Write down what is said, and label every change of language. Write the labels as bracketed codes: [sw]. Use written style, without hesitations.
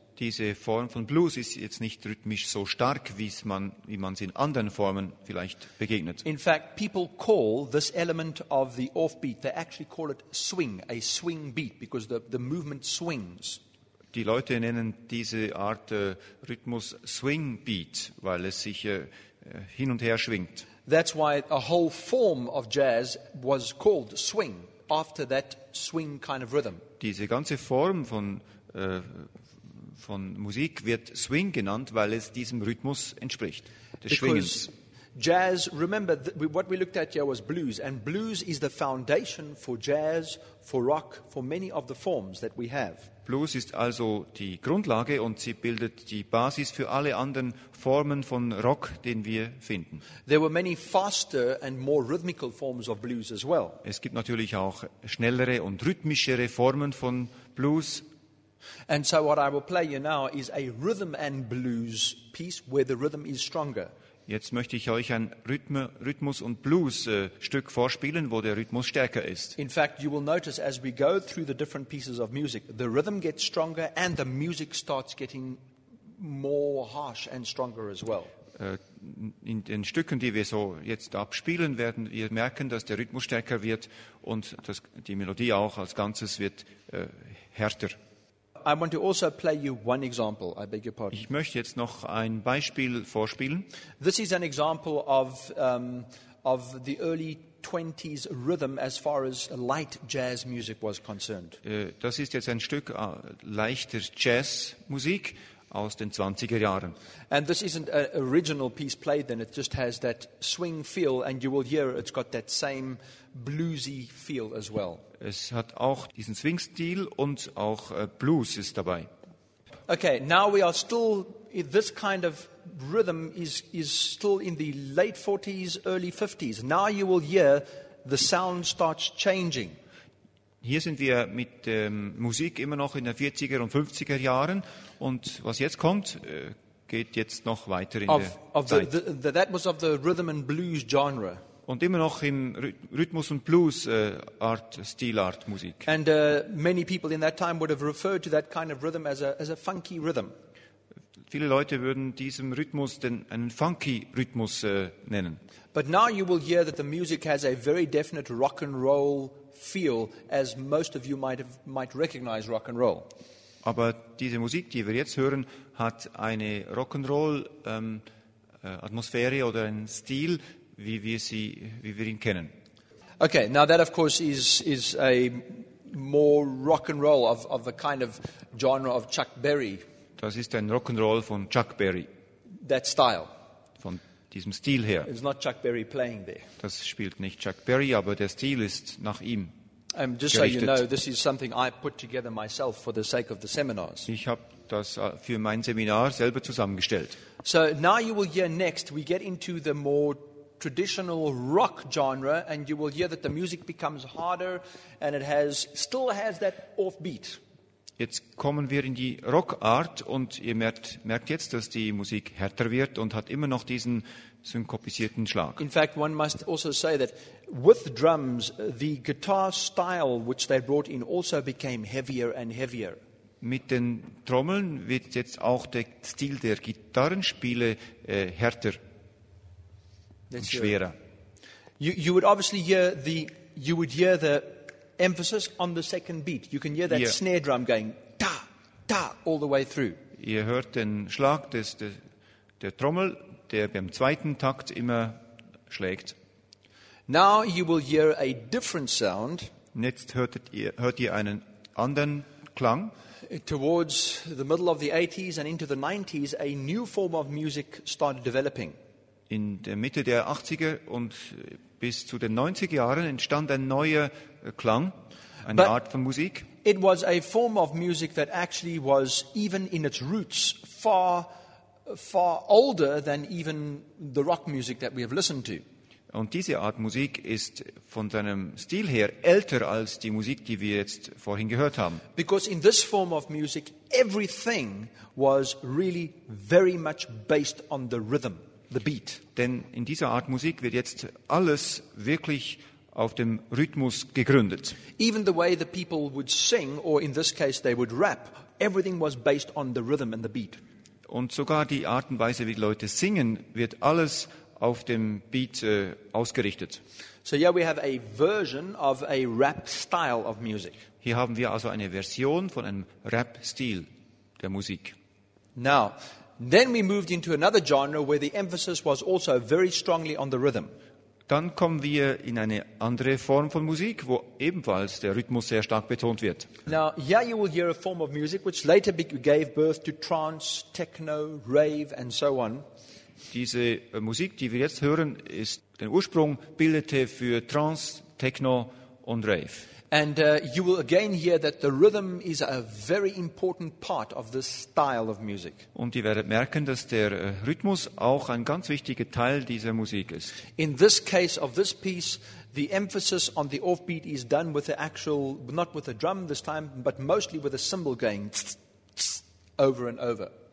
[de] Diese Form von Blues ist jetzt nicht rhythmisch so stark, wie man es in anderen Formen vielleicht begegnet. [en] In fact, people call this element of the offbeat, they actually call it swing, a swing beat, because the movement swings. [de] Die Leute nennen diese Art Rhythmus Swing Beat, weil es sich hin und her schwingt. [en] That's why a whole form of jazz was called swing, after that swing kind of rhythm. [de] Diese ganze Form von Musik wird Swing genannt, weil es diesem Rhythmus entspricht, des Schwingens. [en] Because jazz, remember, what we looked at here was blues, and blues is the foundation for jazz, for rock, for many of the forms that we have. [de] Blues ist also die Grundlage und sie bildet die Basis für alle anderen Formen von Rock, den wir finden. [en] There were many faster and more rhythmical forms of blues as well. [de] Es gibt natürlich auch schnellere und rhythmischere Formen von Blues. [en] And so what I will play you now is a rhythm and blues piece where the rhythm is stronger. [de] Jetzt möchte ich euch ein Rhythmus und Blues Stück vorspielen, wo der Rhythmus stärker ist. [en] In fact, you will notice as we go through the different pieces of music, the rhythm gets stronger and the music starts getting more harsh and stronger as well. [de] In den Stücken, die wir so jetzt abspielen, werden wir merken, dass der Rhythmus stärker wird und dass die Melodie auch als Ganzes wird härter. [en] I want to also play you one example. I beg your pardon. [de] Ich möchte jetzt noch ein Beispiel vorspielen. [en] This is an example of the early 20s rhythm as far as light jazz music was concerned. [de] Das ist jetzt ein Stück leichter Jazzmusik aus den 20er Jahren. [en] And this isn't an original piece played then, it just has that swing feel and you will hear it's got that same bluesy feel as well. [de] Es hat auch diesen Swing-Stil und auch Blues ist dabei. [en] Okay, now we are still, this kind of rhythm is still in the late 40s, early 50s. Now you will hear the sound starts changing. [de] Hier sind wir mit Musik immer noch in den 40er und 50er Jahren. Und was jetzt kommt, geht jetzt noch weiter in der Zeit. [en] That was of the rhythm and blues genre. [de] Und immer noch im Rhythmus und Blues Art Stilart Musik. [en] And many people in that time would have referred to that kind of rhythm as a funky rhythm. [de] Viele Leute würden diesem Rhythmus einen funky Rhythmus nennen. [en] But now you will hear that the music has a very definite rock and roll feel, as most of you might recognize rock and roll. [de] Aber diese Musik, die wir jetzt hören, hat eine Rock'n'Roll Atmosphäre oder einen Stil, wie wir ihn kennen. [en] Okay, now that of course is a more rock and roll of the kind of genre of Chuck Berry. [de] Das ist ein Rock'n'Roll von Chuck Berry. [en] That style. [de] Von diesem Stil her. [en] It's not Chuck Berry playing there. [de] Das spielt nicht Chuck Berry, aber der Stil ist nach ihm. [en] Just so you know, this is something I put together myself for the sake of the seminars. [de] Ich habe das für mein Seminar selber zusammengestellt. [en] So now you will hear next, we get into the more traditional rock genre, and you will hear that the music becomes harder and it still has that offbeat. [de] Jetzt kommen wir in die Rockart und ihr merkt jetzt, dass die Musik härter wird und hat immer noch diesen synkopisierten Schlag. [en] In fact, one must also say that with drums, the guitar style which they brought in also became heavier and heavier. [de] Mit den Trommeln wird jetzt auch der Stil der Gitarrenspiele härter und schwerer. [en] You would obviously hear the emphasis on the second beat. You can hear that snare drum going ta ta all the way through. [de] Ihr hört den Schlag der Trommel, der beim zweiten Takt immer schlägt. [en] Now you will hear a different sound. [de] Jetzt hört ihr einen anderen Klang. [en] Towards the middle of the 80s and into the 90s, a new form of music started developing. [de] In der Mitte der 80er und bis zu den 90er Jahren entstand ein neuer Klang, eine [en] But [de] Art von Musik. [en] It was a form of music that actually was even in its roots far, far older than even the rock music that we have listened to. [de] Und diese Art Musik ist von seinem Stil her älter als die Musik, die wir jetzt vorhin gehört haben. [en] Because in this form of music, everything was really very much based on the rhythm, the beat. [de] Denn in dieser Art Musik wird jetzt alles wirklich auf dem Rhythmus gegründet. [en] Even the way the people would sing, or in this case they would rap, everything was based on the rhythm and the beat. [de] Und sogar die Art und Weise, wie die Leute singen, wird alles auf dem Beat ausgerichtet. [en] So yeah, we have a version of a rap style of music. [de] Hier haben wir also eine Version von einem Rap-Stil der Musik. [en] Now, then we moved into another genre where the emphasis was also very strongly on the rhythm. [de] Dann kommen wir in eine andere Form von Musik, wo ebenfalls der Rhythmus sehr stark betont wird. [en] Now, yeah, you will hear a form of music which later gave birth to trance, techno, rave and so on. [de] Diese Musik, die wir jetzt hören, ist den Ursprung bildete für Trance, Techno und Rave. [en] And you will again hear that the rhythm is a very important part of this style of music. [de] Und ihr werdet merken, dass der Rhythmus auch ein ganz wichtiger Teil dieser Musik ist. [en] In this case of this piece, the emphasis on the offbeat is done with the actual, not with a drum this time, but mostly with a cymbal going tss, tss, over and over.